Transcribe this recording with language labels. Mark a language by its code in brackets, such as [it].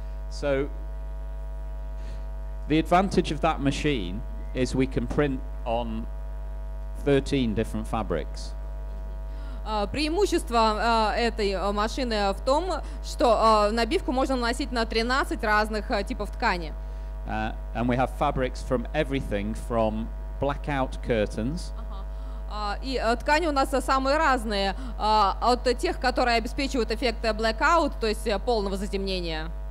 [en] So, the advantage of that machine is we can print on 13 different fabrics. [ru] Преимущество этой машины в том, что набивку можно наносить на 13 разных типов ткани. [en] And we have fabrics from everything from blackout curtains. [ru] И ткани у нас самые разные, от тех, которые обеспечивают эффект blackout, то есть полного затемнения.